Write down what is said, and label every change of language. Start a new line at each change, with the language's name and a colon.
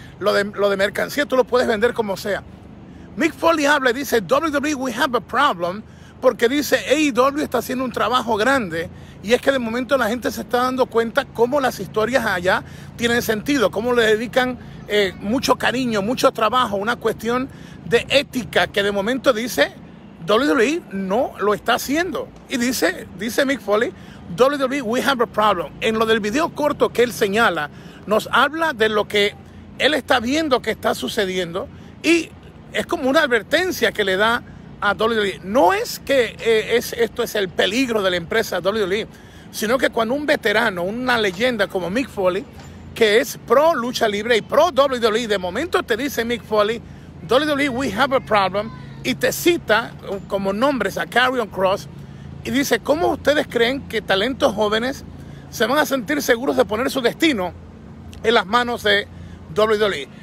Spanish: Lo de mercancía tú lo puedes vender como sea. Mick Foley habla y dice, WWE,
English: we have a problem,
Spanish: porque dice, AEW está haciendo un trabajo grande, y es que de momento la gente se está dando cuenta cómo las historias allá tienen sentido, cómo le dedican mucho cariño, mucho trabajo, una cuestión de ética, que de momento dice WWE no lo está haciendo. Y dice
English: Mick Foley, WWE, we have a problem.
Spanish: En lo del video corto que él señala, nos habla de lo que él está viendo que está sucediendo y es como una advertencia que le da a WWE. No es que esto es el peligro de la empresa WWE, sino que cuando un veterano, una leyenda como Mick Foley, que es pro lucha libre y pro WWE, de momento te dice Mick Foley, WWE,
English: we have a problem,
Spanish: y te cita como nombres a Karrion Kross y dice, ¿cómo ustedes creen que talentos jóvenes se van a sentir seguros de poner su destino en las manos de WWE?